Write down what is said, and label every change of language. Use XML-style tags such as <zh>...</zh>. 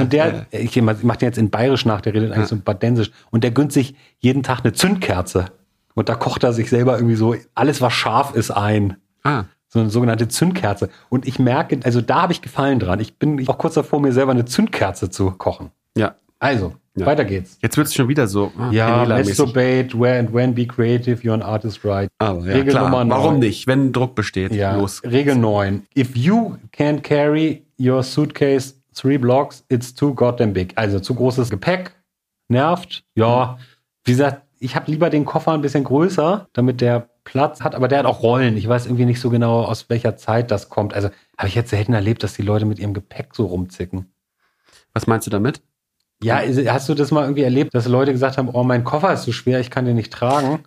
<de>Und der, ich mache den jetzt in Bayerisch nach, der redet eigentlich so ein Badensisch. Und der gönnt sich jeden Tag eine Zündkerze. Und da kocht er sich selber irgendwie so, alles was scharf ist, ein. Ah. So eine sogenannte Zündkerze. Und ich merke, also da habe ich Gefallen dran. Ich bin auch kurz davor, mir selber eine Zündkerze zu kochen. Ja. Also. Ja. Weiter geht's. Jetzt wird's schon wieder so.</de> <en>Ja, masturbate, where and when, be creative, you're an artist, right?</en> <de>Aber ja, Regel klar. Nummer 9. Warum nicht, wenn Druck besteht? Ja. Los. Regel 9.</de> <en>If you can't carry your suitcase 3 blocks, it's too goddamn big.</en> <de>Also zu großes Gepäck, nervt. Ja, wie gesagt, ich habe lieber den Koffer ein bisschen größer, damit der Platz hat. Aber der hat auch Rollen. Ich weiß irgendwie nicht so genau, aus welcher Zeit das kommt. Also habe ich jetzt selten erlebt, dass die Leute mit ihrem Gepäck so rumzicken. Was meinst du damit? Ja, hast du das mal irgendwie erlebt, dass Leute gesagt haben, oh, mein Koffer ist so schwer, ich kann den nicht tragen?</de>